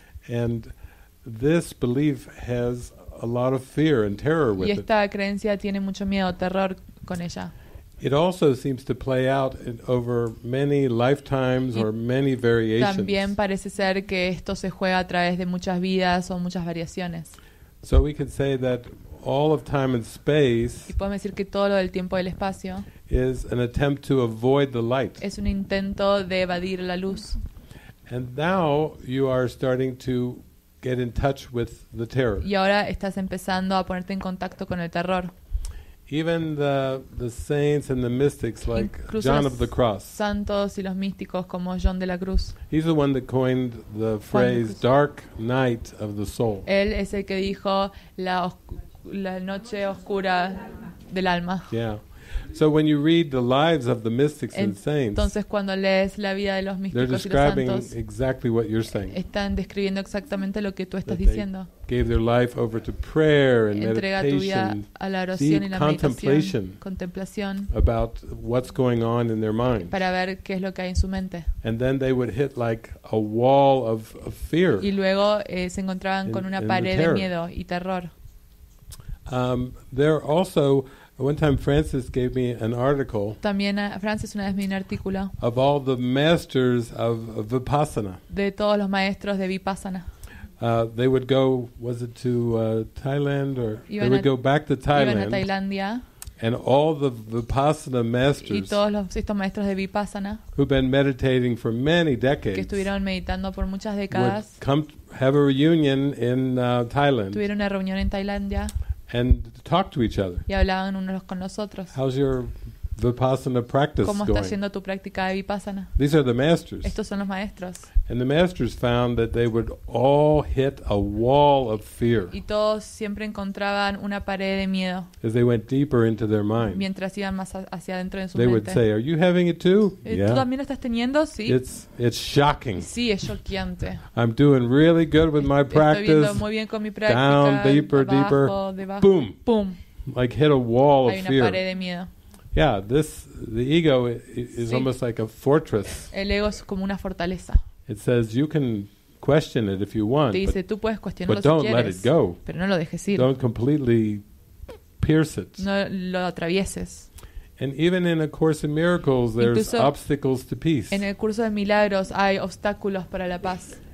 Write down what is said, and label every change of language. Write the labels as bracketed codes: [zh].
[en] And this belief has a lot of fear and terror with [es] it. Y esta creencia tiene mucho miedo, terror con ella. [en] It also seems to play out in over many lifetimes or many variations. [es] También parece ser que esto se juega a través de muchas vidas o muchas variaciones. [en] So we could say that all of time and space, [es] y podemos decir que todo lo del tiempo y el espacio, [en] is an attempt to avoid the light. [es] Es un intento de evadir la luz. [en] And now you are starting to get in touch with the terror. [es] Y ahora estás empezando a ponerte en contacto con el terror. [en] Even the saints and the mystics like John of the Cross. [es] Incluso santos y los místicos como John de la Cruz. [en] He's the one that coined the phrase "dark night of the soul." [es] Él es el que dijo la noche oscura del alma. [en] Yeah. So when you read the lives of the mystics and saints, [es] entonces cuando lees la vida de los místicos y los santos, [en] they're describing exactly what you're saying. [es] Están describiendo exactamente lo que tú estás diciendo. [en] Gave their life over to prayer and meditation, deep contemplation, contemplación about what's going on in their mind. [es] Para ver qué es lo que hay en su mente. [en] And then they would hit like a wall of fear. [es] Y luego se encontraban con una pared de miedo y terror. [en] There also, one time Francis gave me an article. [es] También Francis una vez me dio un artículo. [en] Of all the masters of Vipassana. [es] De todos los maestros de Vipassana. [en] They would go, was it to Thailand or iban they would go back to Thailand? [es] Iban a Tailandia. [en] And all the Vipassana masters. [es] Y todos estos maestros de Vipassana. [en] Who've been meditating for many decades. [es] Que estuvieron meditando por muchas décadas. [en] Would come have a reunion in Thailand. [es] Tuvieron una reunión en Tailandia. [en] And talk to each other. [es] Y hablaban unos con los otros. [en] How's your Vipassana practice [es] ¿cómo está [en] going? [es] Haciendo tu práctica de Vipassana? [en] These are the masters. [es] Estos son los maestros. [en] And the masters found that they would all hit a wall of fear. [es] Y todos siempre encontraban una pared de miedo. [en] As they went deeper into their mind. [es] Mientras iban más hacia adentro de su [en] they [es] mente. [en] They would say, "Are you having it too?" [es] Yeah. ¿Tú también lo estás teniendo? Sí. [en] It's shocking. [es] Sí, es shockeante. [en] I'm doing really good with my practice. [es] Estoy viendo muy bien con mi práctica. [en] Down deeper, [es] abajo, [en] deeper. [es] Debajo. Boom. Boom. [en] Like hit a wall [es] hay [en] of fear. [es] Hay una pared de miedo. [en] Yeah, the ego is almost like a fortress. [es] El ego es como una fortaleza. [en] It says you can question it if you want. [es] Te dice, [en] but, [es] tú puedes cuestionarlo [en] but don't [es] si quieres, [en] let it go. [es] Pero no lo dejes ir. [en] Don't completely pierce it. [es] No lo atravieses. [en] And even in a course in miracles there's [es] incluso [en] obstacles to peace. [es] En el curso de milagros hay obstáculos para la paz.